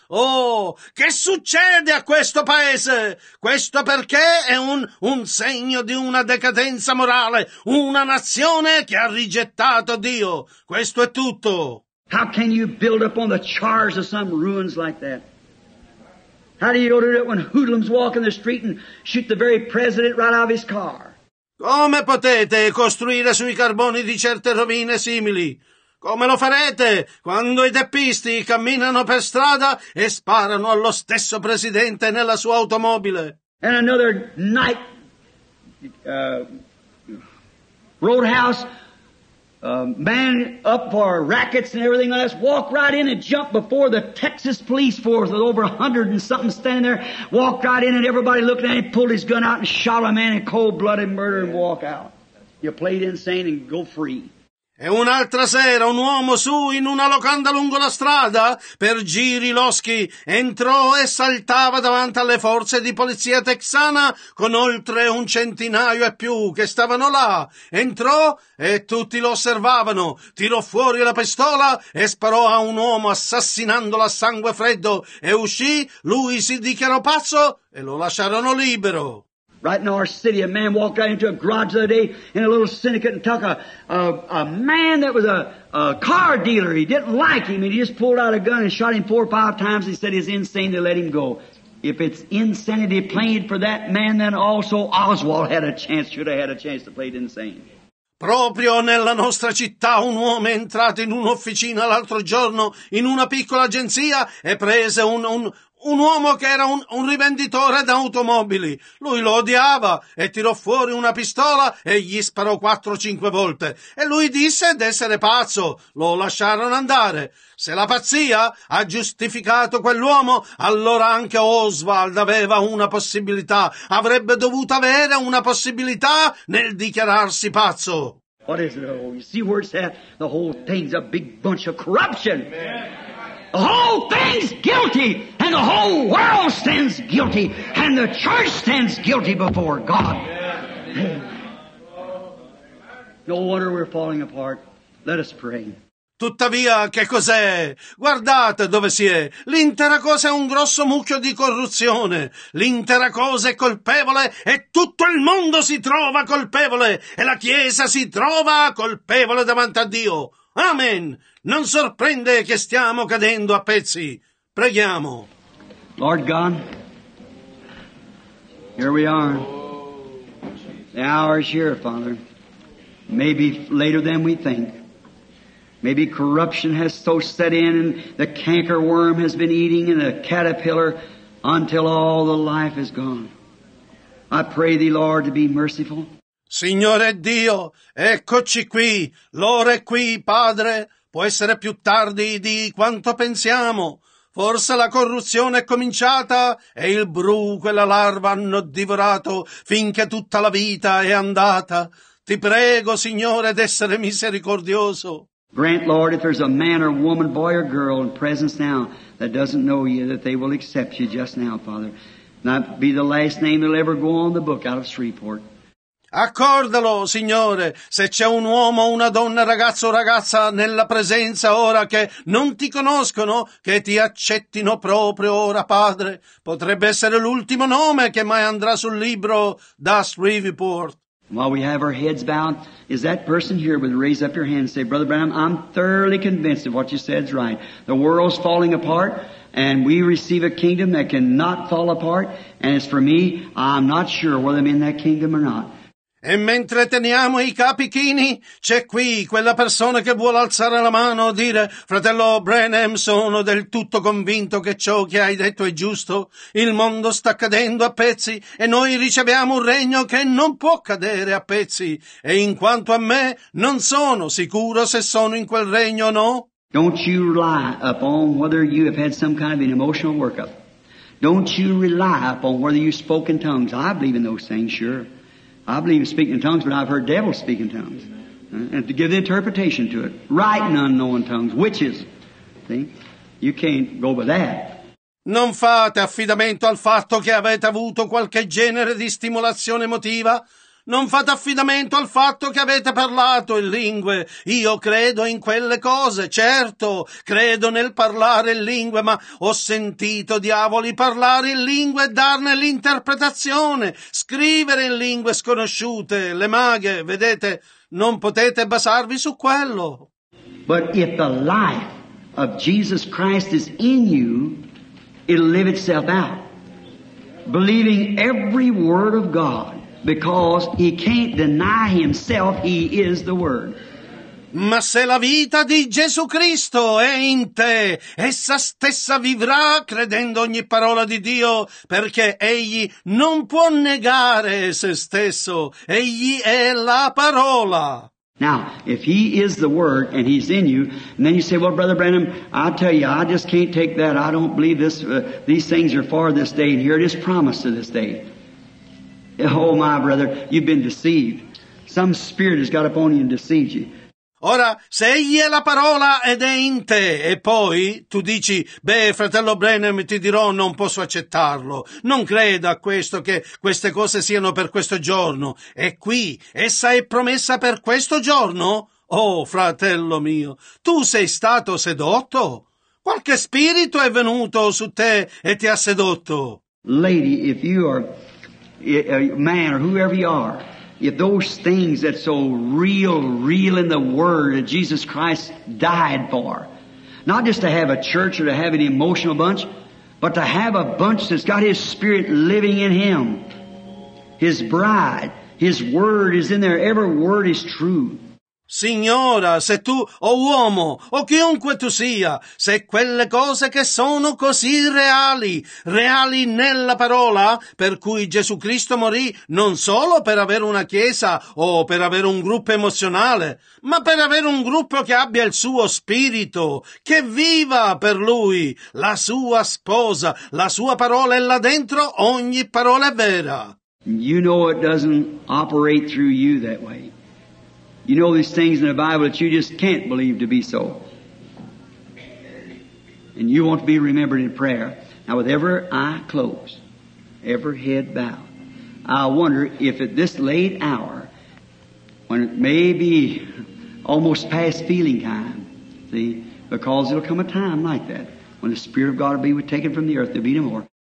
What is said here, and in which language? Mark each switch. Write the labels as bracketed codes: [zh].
[it] Oh, che succede a questo paese? Questo perché è un segno di una decadenza morale, una nazione che ha rigettato Dio. Questo è tutto. [en] How can you build up on the charge of some ruins like that? How do you order it when hoodlums walk in the street and shoot the very president right out of his car? [it] Come potete costruire sui carboni di certe rovine simili? Come lo farete quando i teppisti camminano per strada e sparano allo stesso presidente nella sua automobile? [en] And another night roadhouse man up for rackets and everything else walk right in and jump before the Texas police force with over 100 and something standing there, walked right in and everybody looked at him, pulled his gun out and shot a man in cold blooded murder and walk out. You played insane and go free. [it] E un'altra sera un uomo su in una locanda lungo la strada, per giri loschi, entrò e saltava davanti alle forze di polizia texana con oltre un centinaio e più che stavano là. Entrò e tutti lo osservavano, tirò fuori la pistola e sparò a un uomo assassinandolo a sangue freddo e uscì, lui si dichiarò pazzo e lo lasciarono libero. [en] Right in our city, a man walked out into a garage the other day in a little syndicate and took a man that was a car dealer. He didn't like him, and he just pulled out a gun and shot him 4 or 5 times. He said he's insane to let him go. If it's insanity played for that man, then also Oswald had a chance, should have had a chance to play it insane. [it] Proprio nella nostra città un uomo è entrato in un'officina l'altro giorno in una piccola agenzia e prese un uomo che era un rivenditore d'automobili. Lui lo odiava e tirò fuori una pistola e gli sparò 4 o 5 volte. E lui disse d'essere pazzo. Lo lasciarono andare. Se la pazzia ha giustificato quell'uomo, allora anche Oswald aveva una possibilità. Avrebbe dovuto avere una possibilità nel dichiararsi pazzo. [en] What is it? Oh, you see where it's at? The whole thing's a big bunch of corruption. The whole thing's guilty, and the whole world stands guilty, and the church stands guilty before God. No wonder we're falling apart. Let us pray. [it] Tuttavia, che cos'è? Guardate dove si è. L'intera cosa è un grosso mucchio di corruzione. L'intera cosa è colpevole e tutto il mondo si trova colpevole e la Chiesa si trova colpevole davanti a Dio. Amen. Non sorprende che stiamo cadendo a pezzi. Preghiamo. [en] Lord God, here we are. The hour is here, Father. Maybe later than we think. Maybe corruption has so set in and the canker worm has been eating and the caterpillar until all the life is gone. I pray thee, Lord, to be merciful. [it] Signore Dio, eccoci qui, l'ora è qui, Padre. Può essere più tardi di quanto pensiamo. Forse la corruzione è cominciata e il bruco e la larva hanno divorato finché tutta la vita è andata. Ti prego, Signore, d'essere misericordioso. [en] Grant, Lord, if there's a man or woman, boy or girl in presence now that doesn't know you, that they will accept you just now, Father. Not be the last name that'll ever go on the book out of Shreveport. [it] Accordalo, Signore, se c'è un uomo, una donna, ragazzo o ragazza nella presenza ora che non ti conoscono, che ti accettino proprio ora, Padre. Potrebbe essere l'ultimo nome che mai andrà sul libro da Shreveport. [en] While we have our heads bowed, is that person here with raise up your hand and say, Brother Branham, I'm thoroughly convinced that what you said is right. The world's falling apart. And we receive a kingdom that cannot fall apart. And as for me, I'm not sure whether I'm in that kingdom or not. [it] E mentre teniamo i capi chini, c'è qui quella persona che vuole alzare la mano e dire, fratello Branham, sono del tutto convinto che ciò che hai detto è giusto. Il mondo sta cadendo a pezzi e noi riceviamo un regno che non può cadere a pezzi. E in quanto a me, non sono sicuro se sono in quel regno o no. [en] Don't you rely upon whether you have had some kind of an emotional workup. Don't you rely upon whether you spoke in tongues. I believe in those things, sure. I believe in speaking in tongues, but I've heard devils speak in tongues. And to give the interpretation to it. Writing unknown tongues, witches. See? You can't go by that. [it] Non fate affidamento al fatto che avete avuto qualche genere di stimolazione emotiva. Non fate affidamento al fatto che avete parlato in lingue. Io credo in quelle cose, certo, credo nel parlare in lingue, ma ho sentito diavoli parlare in lingue e darne l'interpretazione, scrivere in lingue sconosciute, le maghe, vedete, non potete basarvi su quello. [en] But if the life of Jesus Christ is in you, it'll live itself out. Believing every word of God. Because he can't deny himself, he is the Word. [it] Ma se la vita di Gesù Cristo è in te, essa stessa vivrà credendo ogni parola di Dio, perché egli non può negare se stesso. Egli è la parola. [en] Now, if he is the Word and he's in you, and then you say, well, Brother Branham, I tell you, I just can't take that. I don't believe this. These things are for this day, and here it is promised to this day. Oh, my brother, you've been deceived. Some spirit has got upon you and deceived you. [it] Ora, se egli è la parola ed è in te, e poi tu dici, beh, fratello Branham, ti dirò, non posso accettarlo. Non creda a questo che queste cose siano per questo giorno. È qui, essa è promessa per questo giorno? Oh, fratello mio, tu sei stato sedotto? Qualche spirito è venuto su te e ti ha sedotto? [en] Lady, if you are... A man or whoever you are, if those things that's so real in the Word that Jesus Christ died for, not just to have a church or to have an emotional bunch, but to have a bunch that's got His Spirit living in him, His bride, His Word is in there, every word is true. [it] Signora, se tu, o uomo, o chiunque tu sia, se quelle cose che sono così reali, reali nella parola, per cui Gesù Cristo morì non solo per avere una chiesa o per avere un gruppo emozionale, ma per avere un gruppo che abbia il suo spirito, che viva per lui, la sua sposa, la sua parola è là dentro, ogni parola è vera. [en] You know it doesn't operate through you that way. You know these things in the Bible that you just can't believe to be so. And you want to be remembered in prayer. Now with every eye closed, every head bowed, I wonder if at this late hour, when it may be almost past feeling time, see, because it'll come a time like that, when the Spirit of God will be taken from the earth, there'll be no more.